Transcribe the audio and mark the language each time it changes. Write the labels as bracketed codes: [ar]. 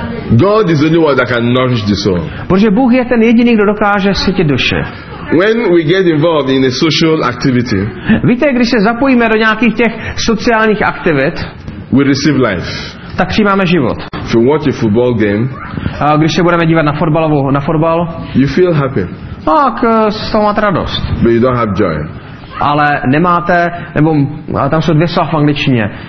[en] God is the only one that can nourish the soul. [cs] Protože Bůh je ten jediný, kdo dokáže sytit duši. [en] When we get involved in a social activity, [cs] víte, když se zapojíme do nějakých těch sociálních aktivit, [en] we receive life. [cs] Tak přijímáme život. [en] If you watch a football game, [cs] a když se budeme dívat na fotbal, [en] you feel happy. [cs] Tak z toho máte radost. [en] But you don't have joy. [cs] Ale nemáte, nebo tam jsou dvě slova v angličtině.